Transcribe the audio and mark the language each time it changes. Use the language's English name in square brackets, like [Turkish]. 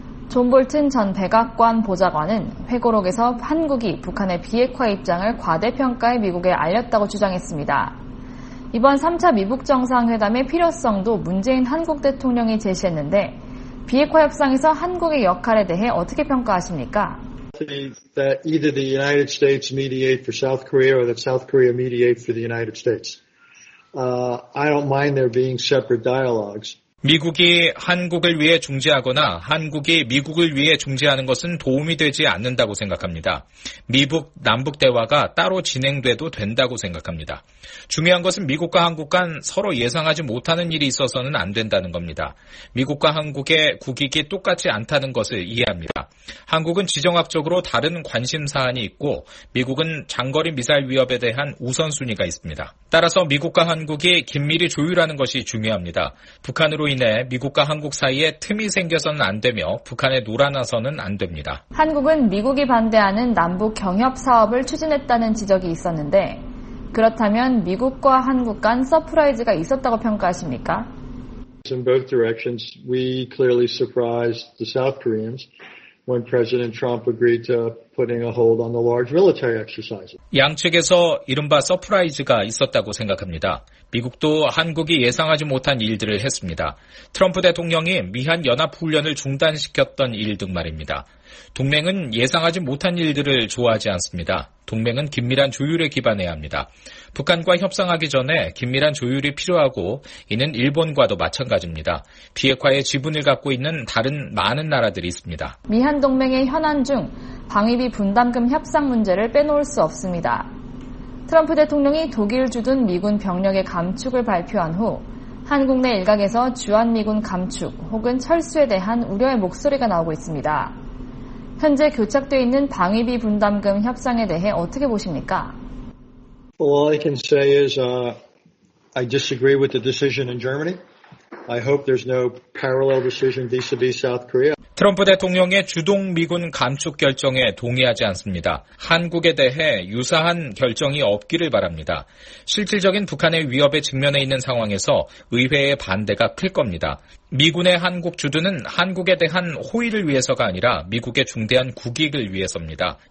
[Korean] 존 볼튼 전 백악관 보좌관은 회고록에서 한국이 북한의 비핵화 입장을 과대평가해 미국에 알렸다고 주장했습니다. 이번 3차 미북 정상회담의 필요성도 문재인 한국 대통령이 제시했는데 비핵화 협상에서 한국의 역할에 대해 어떻게 평가하십니까? [English] That either the United States mediate for South Korea or that South Korea mediate for the United States. I don't mind there being separate dialogues. [Korean] 미국이 한국을 위해 중재하거나 한국이 미국을 위해 중재하는 것은 도움이 되지 않는다고 생각합니다. 미북 남북 대화가 따로 진행돼도 된다고 생각합니다. 중요한 것은 미국과 한국 간 서로 예상하지 못하는 일이 있어서는 안 된다는 겁니다. 미국과 한국의 국익이 똑같지 않다는 것을 이해합니다. 한국은 지정학적으로 다른 관심 사안이 있고 미국은 장거리 미사일 위협에 대한 우선순위가 있습니다. 따라서 미국과 한국이 긴밀히 조율하는 것이 중요합니다. 북한은 로 인해 미국과 한국 사이에 틈이 생겨서는 안 되며 북한에 놀아나서는 안 됩니다. 한국은 미국이 반대하는 남북 경협 사업을 추진했다는 지적이 있었는데 그렇다면 미국과 한국 간 서프라이즈가 있었다고 평가하십니까? [English] In both directions, we clearly surprised the South Koreans when President Trump agreed to putting a hold on the large military exercises. [Korean] 양측에서 이른바 서프라이즈가 있었다고 생각합니다. 미국도 한국이 예상하지 못한 일들을 했습니다. 트럼프 대통령이 미한 연합 훈련을 중단시켰던 일 등 말입니다. 동맹은 예상하지 못한 일들을 좋아하지 않습니다. 동맹은 긴밀한 조율에 기반해야 합니다. 북한과 협상하기 전에 긴밀한 조율이 필요하고 이는 일본과도 마찬가지입니다. 비핵화의 지분을 갖고 있는 다른 많은 나라들이 있습니다. 미한 동맹의 현안 중 방위비 분담금 협상 문제를 빼놓을 수 없습니다. 트럼프 대통령이 독일 주둔 미군 병력의 감축을 발표한 후 한국 내 일각에서 주한미군 감축 혹은 철수에 대한 우려의 목소리가 나오고 있습니다. 현재 교착되어 있는 방위비 분담금 협상에 대해 어떻게 보십니까? [English] Well, all I can say is I disagree with the decision in Germany. I hope there's no parallel decision vis-a-vis South Korea. [Korean] 트럼프 대통령의 주둔 미군 감축 결정에 동의하지 않습니다. 한국에 대해 유사한 결정이 없기를 바랍니다. 실질적인 북한의 위협에 직면해 있는 상황에서 의회의 반대가 클 겁니다. 미군의 한국 주둔은 한국에 대한 호의를 위해서가 아니라 미국의 중대한 국익을 위해서입니다.